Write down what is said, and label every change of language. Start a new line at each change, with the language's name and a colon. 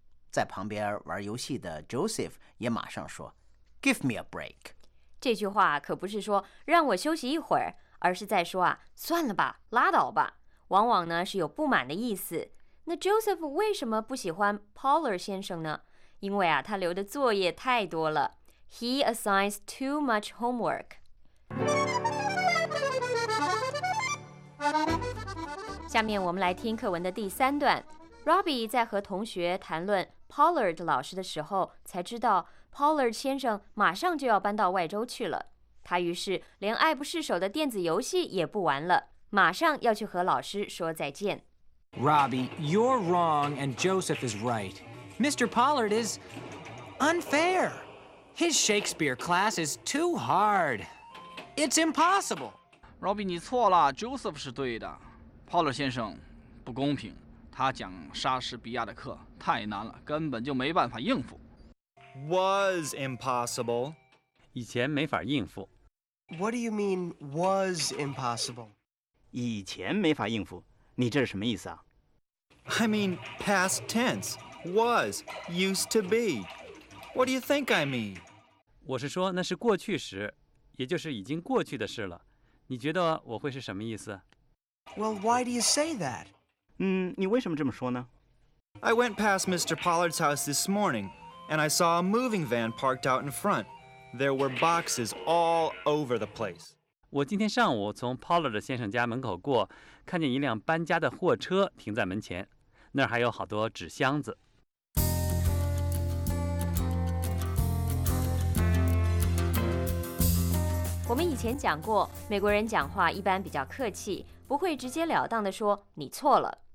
Chinese: 在旁边玩游戏的 Joseph 也马上说 ,Give me a break。这句话可不是说让我休息一会儿，而是在说啊，算了吧，拉倒吧，往往呢是有不满的意思。那 Joseph 为什么不喜欢 Pollard 先生呢？因为啊，他留的作业太多了。
English: He assigns too much homework。
Chinese: 下面我们来听课文的第三段。Robbie 在和同学谈论 Pollard 老师的时候，才知道 Pollard 先生马上就要搬到外州去了。他于是连爱不释手的电子游戏也不玩了，马上要去和老师说再见。
English: Robbie, you're wrong and Joseph is right. Mr. Pollard is unfair. His Shakespeare class is too hard. It's impossible.
Chinese: Robbie, 你错了 ，Joseph 是对的。Pollard 先生，不公平。他讲莎士比亚的课太难了，根本就没办法应付。
English: Was impossible.
Chinese: 以前没法应付。
English: What do you mean was impossible?
Chinese: 以前没法应付。你这是什么意思啊
English: ？I mean past tense was used to be. What do you think I mean?
Chinese: 我是说那是过去时，也就是已经过去的事了。你觉得我会是什么意思
English: ？Well, why do you say that?
Chinese: 你为什么这么说呢
English: ？I went past Mr. Pollard's house this morning, and I saw a moving van parked out in front. There were boxes all over the place.
Chinese: 我今天上午从 Pollard 先生家门口过，看见一辆搬家的货车停在门前，那儿还有好多纸箱子。我们以前讲过，美国人讲话一般比较客气，不会直截了当地说你错了。